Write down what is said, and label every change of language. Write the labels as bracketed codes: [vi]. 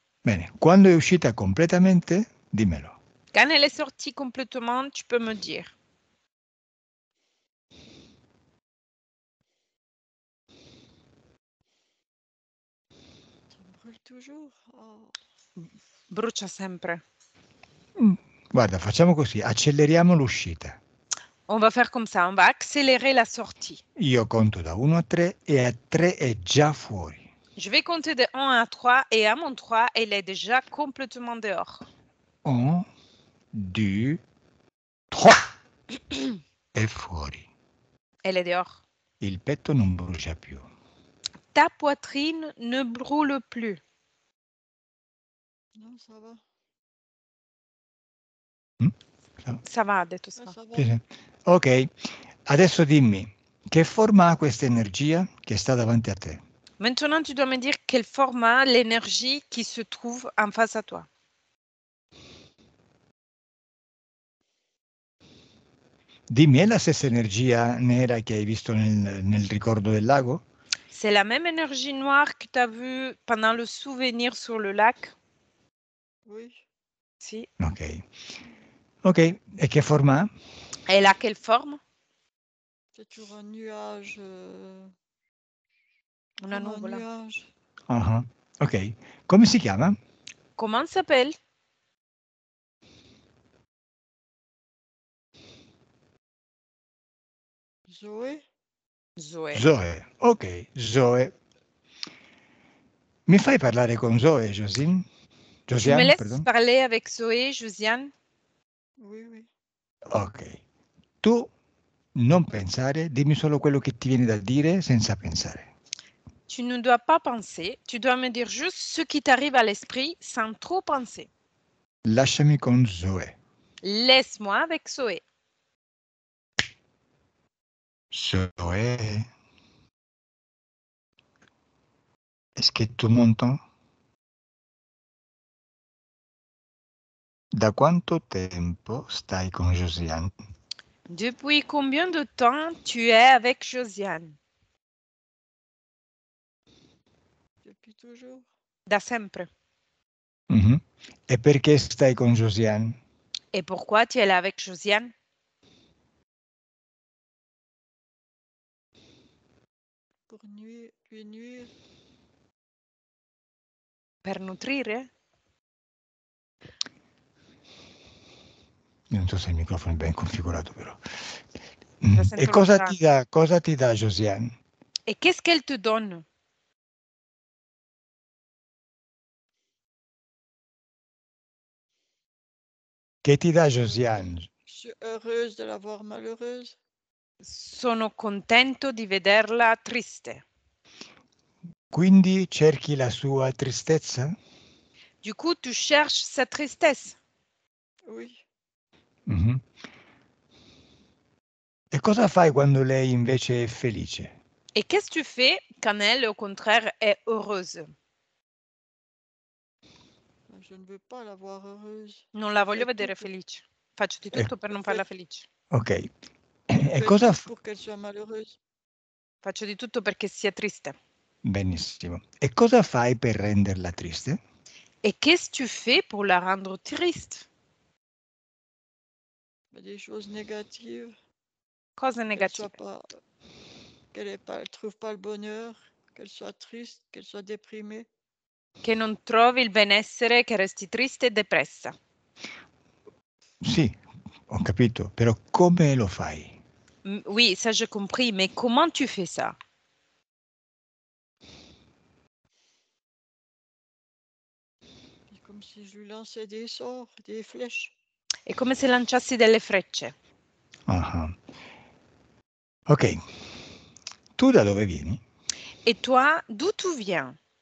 [it] Bene, quando è uscita completamente, dimmelo. [fr] Quand elle est sortie complètement, tu peux me dire. Ça brûle toujours. [it] Brucia sempre. Guarda, facciamo così, acceleriamo l'uscita. [fr] On va faire comme ça, on va accélérer la sortie. [it] Io conto da 1 a 3 e a 3 è già fuori. [fr] Je vais compter de 1 à 3 et à mon 3, elle est déjà complètement dehors. [it] 1, 2, 3. Et fuori. [fr] Elle est dehors. [it] Il petto non brucia più. [fr] Ta poitrine ne brûle plus. Non, ça va. Ça va, [it] ha detto [fr] ça. [it] Ok, adesso dimmi, che forma ha questa energia che sta davanti a te? [fr] Maintenant, tu dois me dire quel format l'énergie qui se trouve en face à toi. [it] Dimmi, è la stessa energia nera che hai visto nel ricordo del lago? [fr] C'est la même énergie noire que tu as vue pendant le souvenir sur le lac? Oui. [it] Si. Ok. Ok, e che forma? [fr] Elle a quelle forme? C'est toujours un nuage. [it] Una nuvola. Ok. Come si chiama? [fr] Comment s'appelle? Zoe. Zoe. Zoe. Ok, Zoe. [it] Mi fai parlare con Zoe, Josiane? [fr] Josiane, perdon. Tu me laisses parler avec Zoe, Josiane? Oui, oui. Ok. [it] Tu non pensare, dimmi solo quello che ti viene da dire senza pensare. [fr] Tu ne dois pas penser, tu dois me dire juste ce qui t'arrive à l'esprit sans trop penser. [it] Lasciami con Zoe. [fr] Laisse-moi avec Zoe. Zoe. Est-ce que tu m'entends? [it] Da quanto tempo stai con Josiane? [fr] Depuis combien de temps tu es avec Josiane? Toujours. [it] Da sempre. Mm-hmm. E perché stai con Josiane? [fr] E pourquoi tu es là avec Josiane? Pour nuire. [it] Per nutrire? Non so se il microfono è ben configurato, però. E cosa ti dà Josiane? [fr] E qu'est-ce qu'elle te donne? [it] Che ti dà Josiane? Sono [fr] heureuse de la voir malheureuse. [it] Sono contento di vederla triste. Quindi cerchi la sua tristezza? [fr] Du coup, tu cherches sa tristesse. Oui. Mm-hmm. [it] E cosa fai quando lei invece è felice? [fr] E qu'est-ce tu fais quand elle, au contraire, è heureuse? Je ne veux pas la voir heureuse. [it] Non la voglio vedere felice. Faccio di tutto per non farla felice. Ok. E cosa fa? Perché sia malheureuse. Faccio di tutto perché sia triste. Benissimo. E cosa fai per renderla triste? [fr] E qu'est-ce tu fais pour la rendre triste? Des choses négatives. [it] Cose negative. [fr] Qu'elle ne trouve pas le bonheur, qu'elle soit triste, qu'elle soit déprimée. [it] Che non trovi il benessere, che resti triste e depressa. Sì, ho capito, però come lo fai? [fr] Oui, ça j'ai compris, mais comment tu fais ça? Comme si je lui lançais des sorts, des flèches. [it] È come se lanciassi delle frecce. Ok. Tu da dove vieni? [fr] E toi, d'où tu viens?